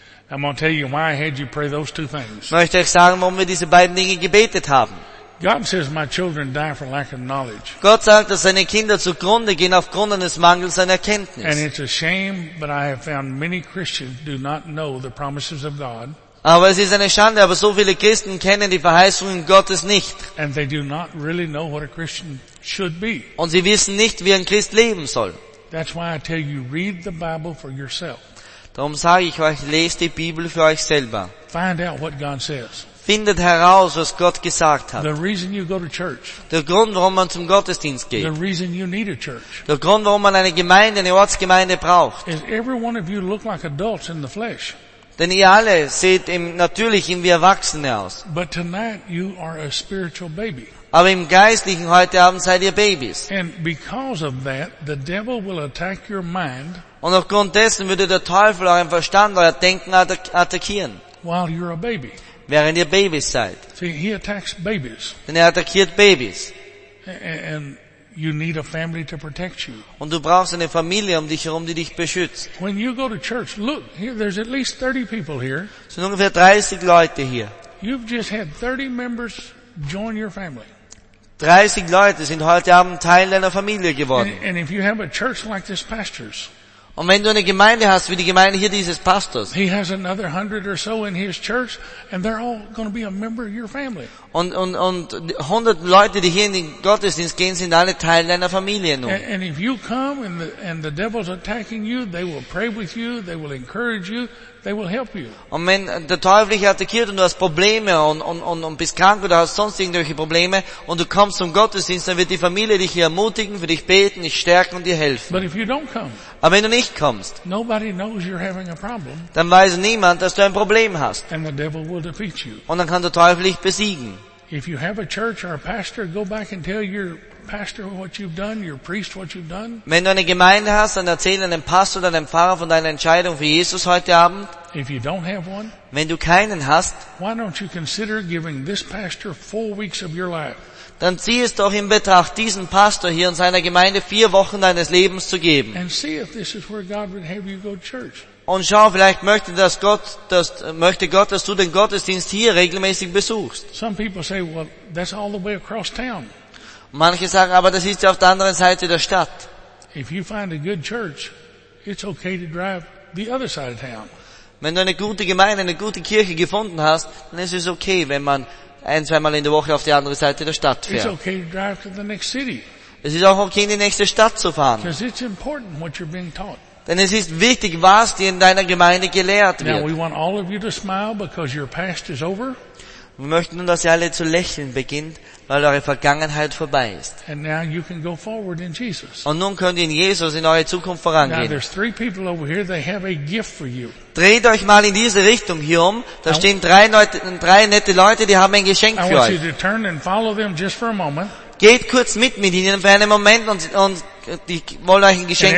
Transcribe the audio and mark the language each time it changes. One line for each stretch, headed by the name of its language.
English: I'm going to tell you why I had you pray those two things.
German: Möchte ich sagen, warum wir diese beiden Dinge gebetet haben.
English: God says my children die for lack of knowledge.
German: Gott sagt, dass seine Kinder zugrunde gehen aufgrund eines Mangels an Erkenntnis.
English: And it's a shame, but I have found many Christians do not know the promises of God.
German: Aber es ist eine Schande, aber so viele Christen kennen die Verheißungen Gottes nicht.
English: And they do not really know what a Christian should be.
German: Und sie wissen nicht, wie ein Christ leben soll.
English: That's why I tell you, read the Bible for yourself.
German: Darum sage ich euch, lest die Bibel für euch selber.
English: Find out what God says.
German: Findet heraus, was Gott gesagt hat.
English: The reason you go to church.
German: Der Grund, warum man zum Gottesdienst geht.
English: The reason you need a church.
German: Der Grund, warum man eine Gemeinde, eine Ortsgemeinde braucht.
English: Is every one of you look like adults in the flesh?
German: Denn ihr alle seht im Natürlichen wie Erwachsene aus.
English: But tonight you are a spiritual baby.
German: Aber im Geistlichen heute Abend seid ihr Babys.
English: And because of that, the devil will attack your mind.
German: Und aufgrund dessen würde der Teufel euren Verstand, euer Denken attackieren.
English: While you're a baby.
German: Während ihr Babys seid.
English: See, he attacks babies.
German: Denn er attackiert Babys.
English: And you need a family to protect you.
German: Und du brauchst eine Familie um dich herum, die dich beschützt.
English: When you go to church, look, here, there's at least 30 people here.
German: Es sind ungefähr 30 Leute hier.
English: You've just had 30 members join your family.
German: 30 Leute sind heute Abend Teil deiner Familie geworden.
English: And if you have a church like this pastor's,
German: und wenn du eine Gemeinde hast, wie die Gemeinde hier dieses Pastors.
English: He has another 100 or so in his church, and they're all going to be a member of your family.
German: Und 100 Leute, die hier in den Gottesdienst gehen, sind alle Teil deiner Familie nun.
English: And if you come and the devil's attacking you, they will pray with you, they will encourage you, they will help you.
German: Und wenn der Teufel dich attackiert und du hast Probleme und bist krank oder hast sonst irgendwelche Probleme und du kommst zum Gottesdienst, dann wird die Familie dich hier ermutigen, für dich beten, dich stärken und dir helfen.
English: But if you don't come,
German: aber wenn du nicht kommst,
English: nobody knows you're having a problem,
German: dann weiß niemand, dass du ein Problem hast.
English: And the devil will defeat you.
German: Und dann kann der Teufel dich besiegen.
English: If you have a church or a pastor, go back and tell your pastor what you've done, your priest what you've done.
German: Wenn du eine Gemeinde hast, dann erzähl einem Pastor oder einem Pfarrer von deiner Entscheidung für Jesus heute Abend.
English: If you don't have one,
German: wenn du keinen hast,
English: why don't you consider giving this pastor 4 weeks of your life?
German: Dann zieh es doch in Betracht, diesen Pastor hier in seiner Gemeinde 4 Wochen deines Lebens zu geben.
English: And see if this is where God would have you go to church.
German: Und schau, vielleicht möchte das Gott, dass, möchte Gott, dass du den Gottesdienst hier regelmäßig besuchst.
English: Some people say, well, that's all the way across town.
German: Manche sagen, aber das ist ja auf der anderen Seite der Stadt.
English: If you find a good church, it's okay to drive the other side of town.
German: Wenn du eine gute Gemeinde, eine gute Kirche gefunden hast, dann ist es okay, wenn man ein, zweimal in der Woche auf die andere Seite der Stadt fährt.
English: It's okay to drive to the next city.
German: Es ist auch okay, in die nächste Stadt zu fahren.
English: Because it's important what you're being taught.
German: Denn es ist wichtig, was dir in deiner Gemeinde gelehrt wird.
English: Now we want all of you to smile because your past is over.
German: Wir möchten nun, dass ihr alle zu lächeln beginnt, weil eure Vergangenheit vorbei ist.
English: And now you can go forward in Jesus.
German: Und nun könnt ihr in Jesus in eure Zukunft vorangehen.
English: Now there's three people over here, they have a gift for you.
German: Dreht euch mal in diese Richtung hier um. Da stehen drei nette Leute, die haben ein Geschenk für euch.
English: I want you to turn and follow them just for a moment.
German: Geht kurz mit ihnen für einen Moment und die wollen euch ein Geschenk